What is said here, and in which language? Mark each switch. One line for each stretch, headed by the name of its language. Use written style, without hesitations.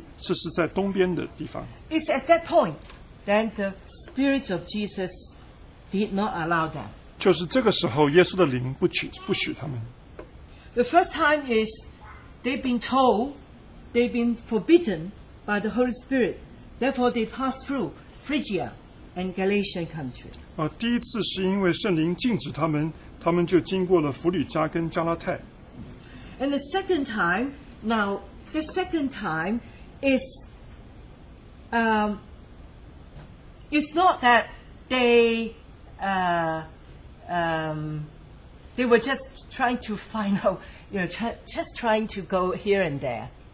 Chinese: 可是很特别的是，他们想要往这个比推尼，这是在东边的地方。It's
English: at that point that the Spirit of Jesus did not allow them.
Chinese: 就是这个时候，耶稣的灵不许他们。The
English: first time is they've been told, they've been forbidden by the Holy Spirit. Therefore, they pass through Phrygia and Galatian country.
Chinese: 第一次是因为圣灵禁止他们，他们就经过了弗吕加跟加拉太。And
English: the second time, now the second time is, it's not that they were just trying to find out, you know, just trying to go here and there.